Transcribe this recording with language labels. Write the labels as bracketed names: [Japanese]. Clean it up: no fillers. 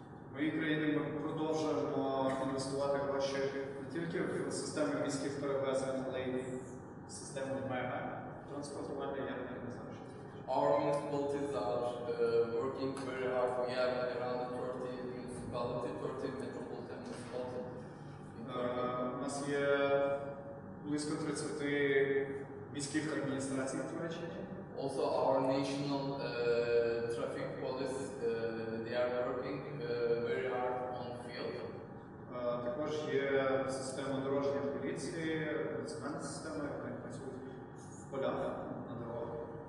[Ukrainian] В моїй країні ми продовжуємо інвестувати гроші не тільки в системи міських перевезень, але й в систему мега транспортування, я не знаю, що це. [English] Our municipalities are working very hard. We have around 30 municipalities, 30 metropolitan municipalities. [Ukrainian] У нас є близько 30 міських адміністрацій в Туреччині. [English] Also our national traffic police, they are working very hard on the field. [Ukrainian] Також є система дорожньої поліції, національна система, яка працює в полях на дорогах.